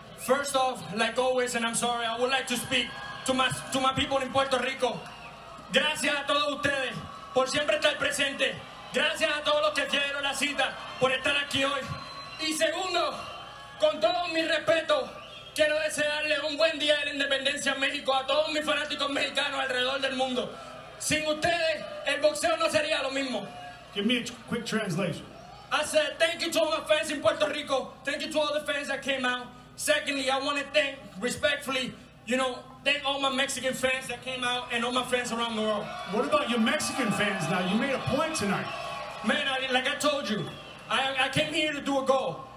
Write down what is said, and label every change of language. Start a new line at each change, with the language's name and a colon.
English: First off, like always, and I'm sorry, I would like to speak to my people in Puerto Rico.
Spanish: Gracias a todos ustedes por siempre estar presente. Gracias a todos los que dieron la cita por estar aquí hoy. Y segundo, con todo mi respeto, quiero desearle un buen día de la independencia a México a todos mis fanáticos mexicanos alrededor del mundo. Sin ustedes, el boxeo no sería lo mismo.
English: Give me a quick translation. I said thank you to all my fans in Puerto Rico. Thank you to all the fans that came out. Secondly, I want to thank respectfully, you know, thank all my Mexican fans that came out and all my friends around the world. What about your Mexican fans now? You made a point tonight. Man, I came here to do a goal.